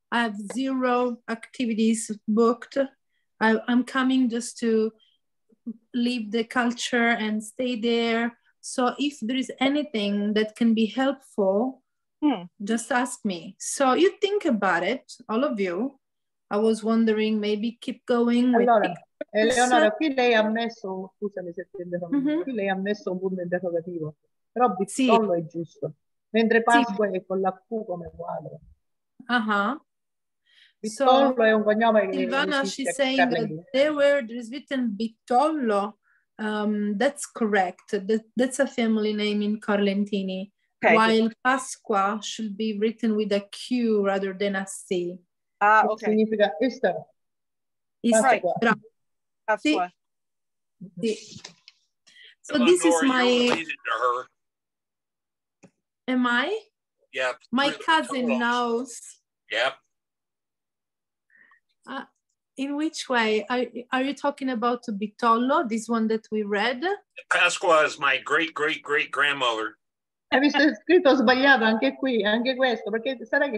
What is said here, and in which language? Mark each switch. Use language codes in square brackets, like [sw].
[en] I have zero activities booked. I'm coming just to leave the culture and stay there. So if there is anything that can be helpful, just ask me. So you think about it, all of you. I was wondering, maybe keep going. [it] Eleonora, qui lei ha messo, scusami se ti interrompo, qui lei ha messo un punto interrogativo, però Bittollo è giusto, mentre Pasqua è con la Q come quadro. Bittollo è un cognome. [en] Ivana, she's saying there is written Bittollo, that's correct, that's a family name in Carlentini, while Pasqua should be written with a Q rather than a C. [it] Significa [en] Easter. Right. [it] Sì. Sì. [en] So this is my. Am I? Yeah. My cousin knows. Yep. In which way? Are you talking about Bitollo, this one that we read? Pasqua is my great-great-great-grandmother. [it] Hai visto, è scritto sbagliato anche qui, anche questo, perché sarà che